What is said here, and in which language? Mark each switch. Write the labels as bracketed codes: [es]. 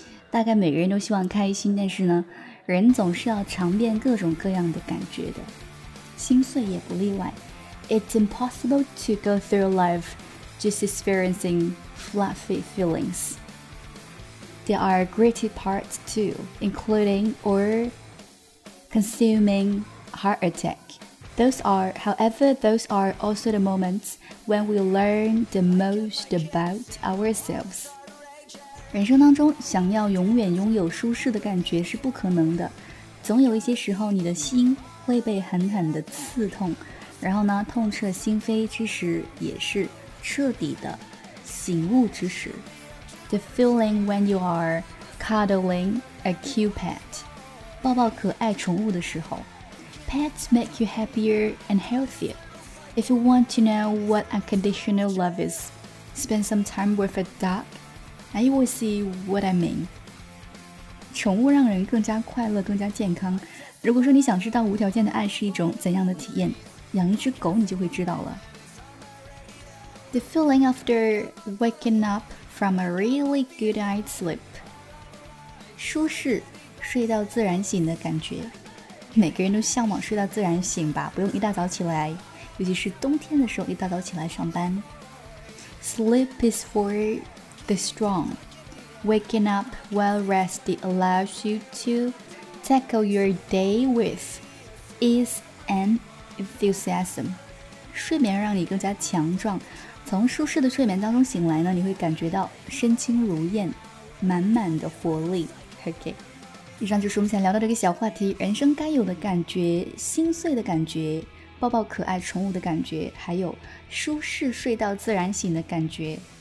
[zh] 大概每个人都希望开心，但是呢，人总是要尝遍各种各样的感觉的，心碎也不例外。 [en] It's impossible to go through life just experiencing fluffy feelings. There are gritty parts too, including orconsuming heart attack. However, those are also the moments when we learn the most about ourselves. [zh] 人生当中想要永远拥有舒适的感觉是不可能的，总有一些时候你的心会被狠狠的刺痛，然后呢，痛彻心扉之时也是彻底的醒悟之时。 [en] The feeling when you are cuddling a cute pet. [zh] 抱抱可爱宠物的时候。 [en] Pets make you happier and healthier. If you want to know what unconditional love is, spend some time with a dog. Now you will see what I mean. [zh] 宠物让人更加快乐，更加健康。如果说你想知道无条件的爱是一种怎样的体验，养一只狗你就会知道了。 [en] The feeling after waking up from a really good night's sleep. [zh] 舒适睡到自然醒的感觉，每个人都向往睡到自然醒吧，不用一大早起来，尤其是冬天的时候一大早起来上班。 [en] Sleep is for the strong. Waking up well rested allows you to tackle your day with ease and enthusiasm. [zh] 睡眠让你更加强壮，从舒适的睡眠当中醒来呢，你会感觉到身轻如燕，满满的活力。 OK，以上就是我们想聊到这个小话题，人生该有的感觉，心碎的感觉，抱抱可爱宠物的感觉，还有舒适睡到自然醒的感觉。